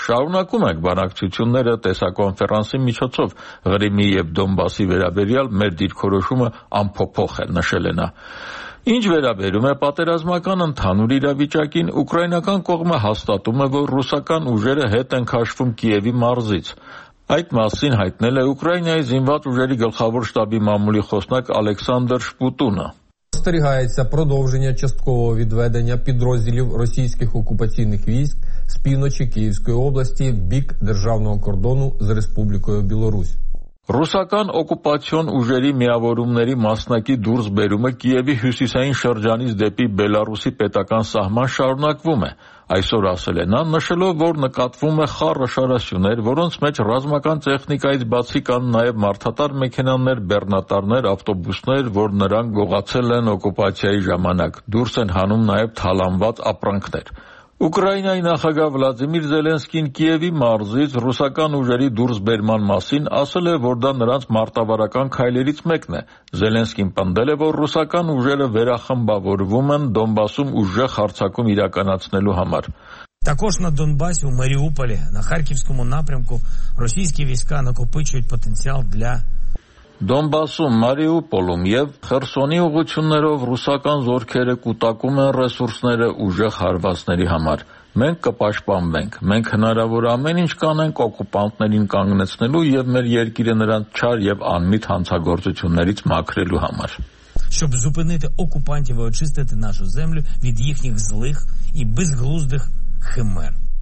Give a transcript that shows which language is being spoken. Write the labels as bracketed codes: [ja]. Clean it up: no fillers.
[hy] «Շարունակում ենք բանակցությունները տեսակոնֆերանսի միջոցով Ղրիմի և Դոնբասի վերաբերյալ մեր դիրքորոշումը անփոփոխ է», նշել է նա։ Ինչ վերաբերում է պատերազմական ընդհանուր իրավիճակին, ուկրաինական կողմը հաստատում է, որ ռուսական ուժերը հետ են քաշվում Կիևի մարզից։ Այդ մասին հայտնել է Ուկրաինայի զինված ուժերի գլխավոր շտաբի մամուլի խոսնակ Ալեքսանդր Շպուտունը. [uk] Остерігається продовження часткового відведення підрозділів російських окупаційних військ з півночі Київської області в бік державного кордону з Республікою Білорусь. [hy] Ռուսական օկուպացիոն ուժերի միավորումների մասնակի դուրսբերումը Կիևի հյուսիսային շրջանից դեպի Բելարուսի պետական սահման շարունակվում է, այսօր ասել է նա, նշելով, որ նկատվում է խառը շարասյուներ, որոնց մեջ ռազմական տեխնիկայից բացի կան նաև մարդատար մեքենաներ, բեռնատարներ, ավտոբուսներ, որ նրանք գողացել են օկուպացիայի ժամանակ, դուրս են հանում նաև թալանված ապրանքներ։ Ուկրաինայի նախագահ Վլադիմիր Զելենսկին Կիևի մարզից ռուսական ուժերի դուրսբերման մասին ասել է, որ դա նրանց մարտավարական քայլերից մեկն է։ Զելենսկին պնդել է, որ ռուսական ուժերը վերախմբավորվում են Դոնբասում ուժեղ հարձակում իրականացնելու համար։ [uk] Також на Донбасі, у Маріуполі, на Харківському напрямку російські війська накопичують потенціал для [hy] Դոնբասում, Մարիուպոլում և Խերսոնի ուղություններով ռուսական զորքերը կուտակում են ռեսուրսները ուժեղ հարվածների համար։ Մենք կպաշտպանվենք, մենք հնարավոր ամեն ինչ կանենք օկուպանտներին կանգնեցնելու և մեր երկիրը նրանց չար և անմիտ հանցագործություններից մաքրելու համար։ [uk] Щоб зупинити окупантів і очистити нашу землю від їхніх злих і безглуздих химер.